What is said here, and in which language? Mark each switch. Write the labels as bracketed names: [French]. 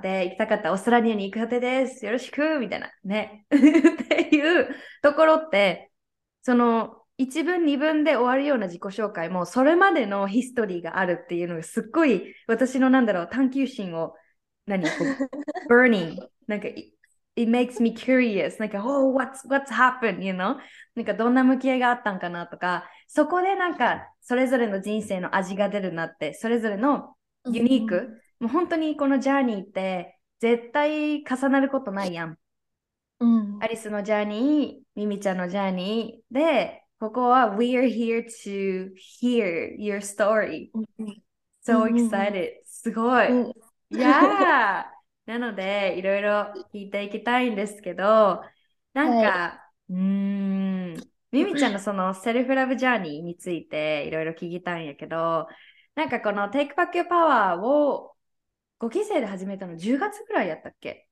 [Japanese] で、行きたかったオーストラリアに行く予定です。よろしく、みたいな、ね。っていうところって、その、1文、2文で終わるような自己紹介も、それまでのヒストリーがあるっていうのが、すっごい、私のなんだろう、探求心を、何こう、 [English] burning。なんか、it makes me curious. なんか、oh, what's happened? You know? [Japanese] なんか、どんな向き合いがあったんかなとか、そこでなんか、それぞれの人生の味が出るなって、それぞれのユニーク。もう本当にこのジャーニーって、絶対重なることないやん。アリスのジャーニー、ミミちゃんのジャーニー。で、ここは、 [English] we are here to hear your story. So excited. [Japanese] すごい。 [English] Yeah! [Japanese] なので、いろいろ聞いていきたいんですけど、なんか、ミミちゃんのそのセルフラブジャーニーについていろいろ聞きたいんやけど、なんかこの Take Back Your Power を5期生で始めたの10月ぐらいやったっけ？